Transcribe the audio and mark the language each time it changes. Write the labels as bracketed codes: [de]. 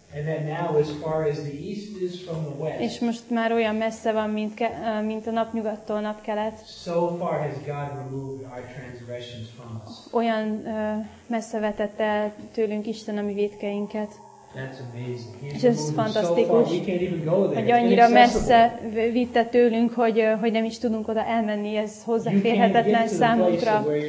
[en] And then now, as far as the east is from the west. [hu] És most már olyan messze van, mint a nap nyugattól nap kelet. [en] So far has God removed our transgressions from us. [hu] Olyan messze vetett el tőlünk Isten a mi vétkeinket. [en] That's amazing. [hu] És ez fantasztikus. [en] So far, we can't even go there. [hu] Hogy annyira messze vitte tőlünk, hogy nem is tudunk oda elmenni, ez hozzáférhetetlen számunkra.